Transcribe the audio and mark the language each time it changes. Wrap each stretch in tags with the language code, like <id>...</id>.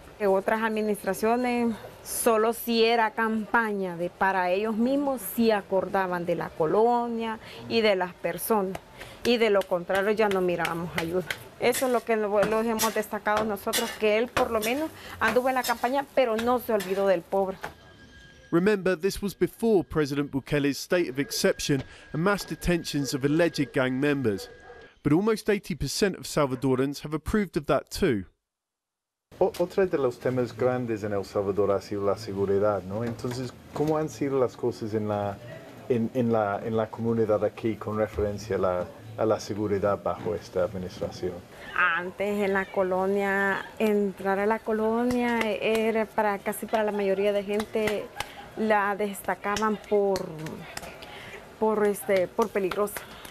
<es>En otras administraciones, solo si era campaña de para ellos mismos, si acordaban de la colonia y de las personas. Y de lo contrario, ya no mirábamos ayuda. Eso es lo que lo hemos destacado nosotros, que él por lo menos anduvo en la campaña, pero no se olvidó del pobre.</es> <en>Remember, this was before President Bukele's state of exception and mass detentions of alleged gang members. but almost 80% of Salvadorans have approved of that too.</en> <es>Otro de los temas grandes en El Salvador ha sido la seguridad, ¿no? Entonces, ¿cómo han sido las cosas en la comunidad aquí con referencia a la seguridad bajo esta administración? Antes en la colonia, entrar a la colonia era casi para la mayoría de gente, la destacaban por peligrosa.</es>